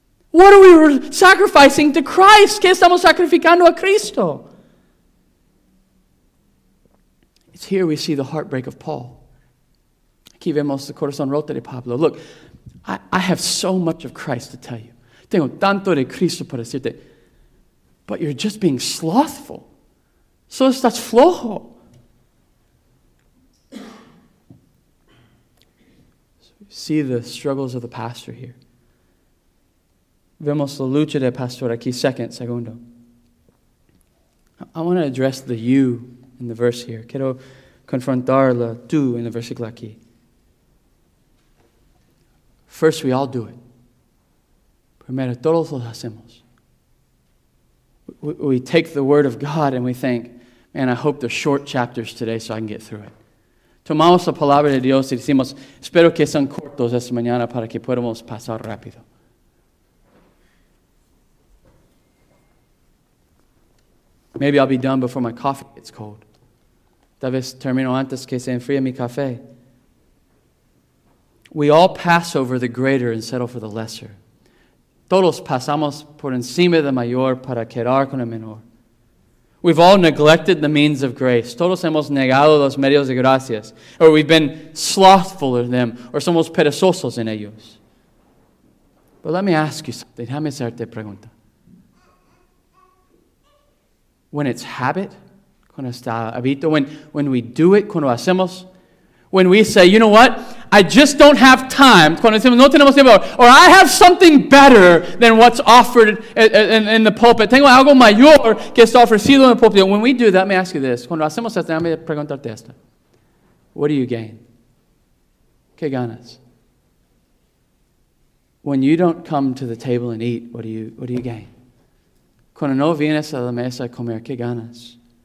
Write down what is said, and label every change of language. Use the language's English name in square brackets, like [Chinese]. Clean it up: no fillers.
[English] What are we sacrificing to Christ? [Spanish] ¿Qué estamos sacrificando a Cristo? [English] It's here we see the heartbreak of Paul. [Spanish] Aquí vemos el corazón roto de Pablo. [English] Look, I have so much of Christ to tell you. [Spanish] Tengo tanto de Cristo para decirte. [English] But you're just being slothful. [Spanish] Solo estás flojo. [English] See the struggles of the pastor here. [Spanish] Vemos la lucha del pastor aquí, segundo. [English] I want to address the you in the verse here. [Spanish] Quiero confrontar la tú en el versículo aquí. [English] First, we all do it. [Spanish] Primero, todos lo hacemos. [English] We take the word of God and we think, man, I hope they're short chapters today so I can get through it. [Spanish] Tomamos la palabra de Dios y decimos, espero que sean cortos esta mañana para que podamos pasar rápido. [English] Maybe I'll be done before my coffee gets cold. [Spanish] Tal vez termino antes que se enfríe mi café. [English] We all pass over the greater and settle for the lesser. [Spanish] Todos pasamos por encima del mayor para quedar con el menor. [English] We've all neglected the means of grace. [Spanish] Todos hemos negado los medios de gracias. [English] Or we've been slothful in them. [Spanish] Or somos perezosos en ellos. [English] But let me ask you something. [Spanish] Déjame hacerte pregunta. [English] When it's habit, [Spanish] cuando está habito, [English] when we do it, [Spanish] cuando hacemos, [English] when we say, you know what? I just don't have time. [Spanish] Cuando decimos, no tenemos tiempo. [English] Or I have something better than what's offered in the pulpit. [Spanish] Tengo algo mayor que está ofrecido en el pulpit. [English] When we do that, let me ask you this. [Spanish] Cuando hacemos esto, déjame preguntarte esto. [English] What do you gain? [Spanish] ¿Qué ganas? [English] When you don't come to the table and eat, what do you gain? [Spanish] Cuando no vienes a la mesa a comer, ¿qué ganas?